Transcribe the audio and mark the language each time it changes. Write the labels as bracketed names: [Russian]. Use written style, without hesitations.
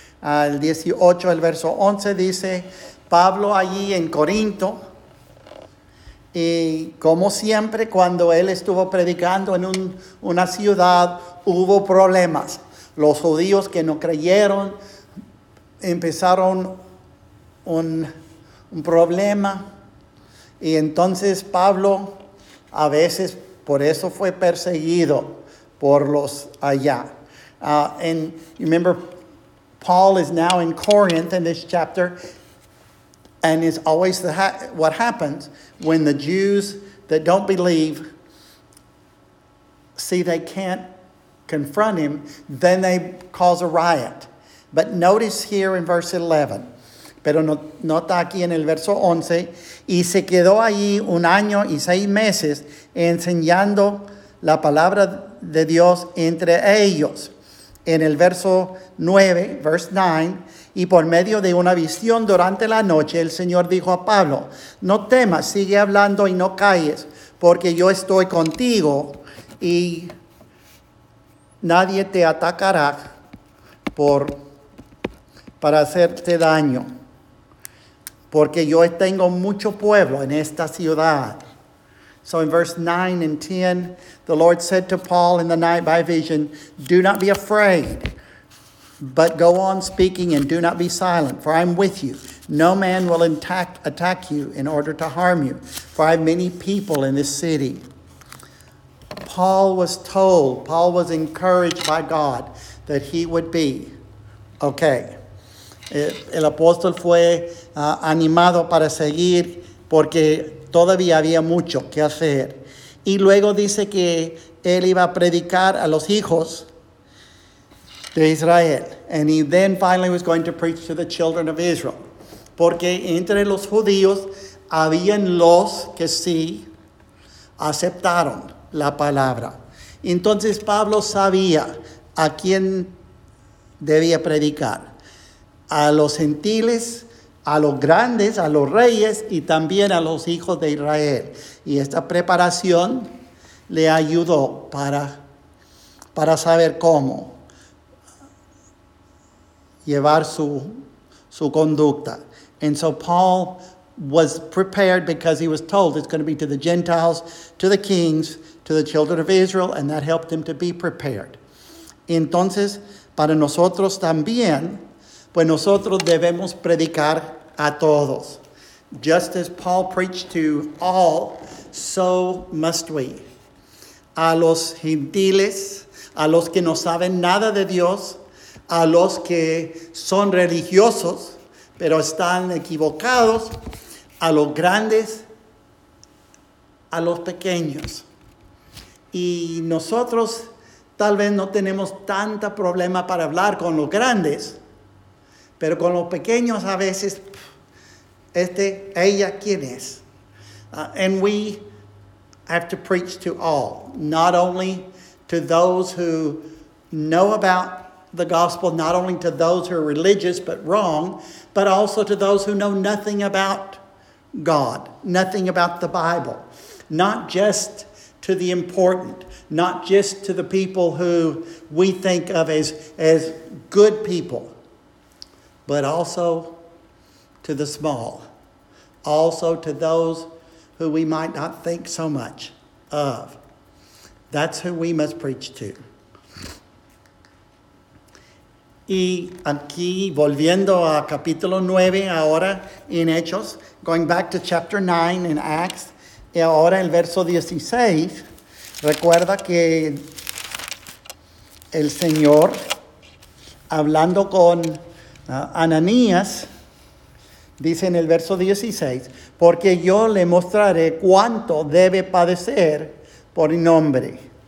[Spanish] Al 18, el verso 11 dice, Pablo allí en Corinto, y como siempre, cuando él estuvo predicando en una ciudad, hubo problemas. Los judíos que no creyeron empezaron un problema. Y entonces Pablo, a veces, por eso fue perseguido por los allá. [English] And remember, Paul is now in Corinth in this chapter. And it's always what happens when the Jews that don't believe see they can't confront him, then they cause a riot. But notice here in verse 11. [Spanish] Pero nota aquí en el verso 11. Y se quedó allí un año y seis meses enseñando la palabra de Dios entre ellos. En el verso 9, [English] verse 9. [Spanish] Y por medio de una visión durante la noche, el Señor dijo a Pablo, no temas, sigue hablando y no calles, porque yo estoy contigo y nadie te atacará para hacerte daño, porque yo tengo mucho pueblo en esta ciudad. [English] So in verse 9 and 10, the Lord said to Paul in the night by vision, do not be afraid. But go on speaking and do not be silent, for I'm with you. No man will attack you in order to harm you, for I have many people in this city. Paul was encouraged by God that he would be okay. [Spanish] El apóstol fue animado para seguir porque todavía había mucho que hacer. Y luego dice que él iba a predicar a los hijos de Israel. [English] And he then finally was going to preach to the children of Israel. [Spanish] Porque entre los judíos habían los que sí aceptaron la palabra. Entonces Pablo sabía a quién debía predicar. A los gentiles, a los grandes, a los reyes y también a los hijos de Israel. Y esta preparación le ayudó para saber cómo llevar su conducta. [English] And so Paul was prepared because he was told it's going to be to the Gentiles, to the kings, to the children of Israel, and that helped him to be prepared. [Spanish] Entonces, para nosotros también, pues nosotros debemos predicar a todos. [English] Just as Paul preached to all, so must we. [Spanish] A los gentiles, a los que no saben nada de Dios, a los que son religiosos, pero están equivocados, a los grandes, a los pequeños. Y nosotros tal vez no tenemos tanto problema para hablar con los grandes, pero con los pequeños a veces, ella, ¿quién es? [English] And we have to preach to all, not only to those who know about the gospel, not only to those who are religious but wrong, but also to those who know nothing about God, nothing about the Bible, not just to the important, not just to the people who we think of as good people, but also to the small, also to those who we might not think so much of. That's who we must preach to. [Spanish] Y aquí, volviendo a capítulo 9, ahora en Hechos, [English] going back to chapter 9 in Acts, [Spanish] y ahora el verso 16, recuerda que el Señor, hablando con Ananías, dice en el verso 16, porque yo le mostraré cuánto debe padecer por mi nombre.